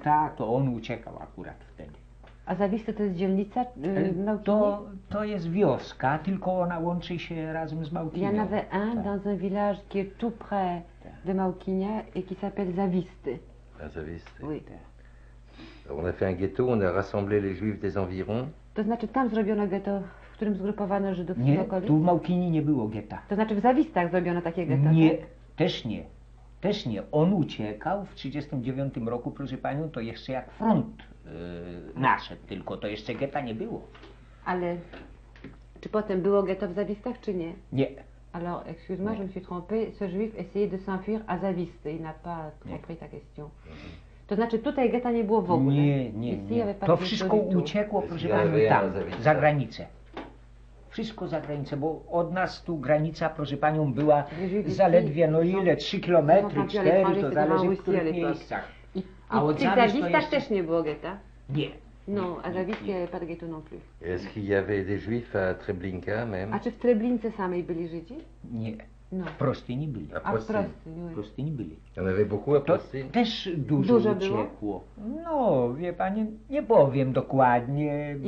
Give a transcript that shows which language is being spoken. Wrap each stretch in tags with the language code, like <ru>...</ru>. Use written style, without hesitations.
<pl>Tak, to on uciekał akurat wtedy. A Zawisty to jest dzielnica Małkini? To jest wioska, tylko ona łączy się razem z Małkinią.</pl> <fr>Il y en avait un dans un village qui est tout près de Małkinia et qui s'appelle Zawisty. Ah, Zawisty. Oui. On a fait un ghetto, on a rassemblé les Juifs des environs.</fr> <pl>To znaczy tam zrobiono ghetto, w którym zgrupowano Żydów nie, w okolicy? Tu w Małkini nie było getta. To znaczy w Zawistach zrobiono takie ghetto? Nie, tak? Też nie. Też nie. On uciekał w 39 roku, proszę panią, to jeszcze jak front nasze, tylko to jeszcze getta nie było. Ale czy potem było getto w Zawistach, czy nie? Nie.</pl> <fr>Alors, excuse-moi, je me suis trompé. Ce juif essayait de s'enfuir à Zawisty. Il n'a pas compris ta question.</fr> <pl>To znaczy, tutaj getta nie było w ogóle. Nie, nie, nie. To wszystko uciekło, proszę panią, tam, za granicę. Wszystko za granicę, bo od nas tu granica, proszę panią, była zaledwie, no ile, 3 kilometry, 4, to zależy, w których miejscach. A od zawistach też nie było getta? Nie. No, a zawistach nie było getta</pl> <fr>non plus. Est-ce qu'il y avait des juifs à Treblinka même?</fr> <pl>A czy w Treblince samej byli Żydzi? Nie. No. W Prostyni byli. A w Prostyni? W Prostyni byli. Ale wy boku a Prostyni? Też dużo uciekło. No, wie pani, nie powiem dokładnie, bo...</pl>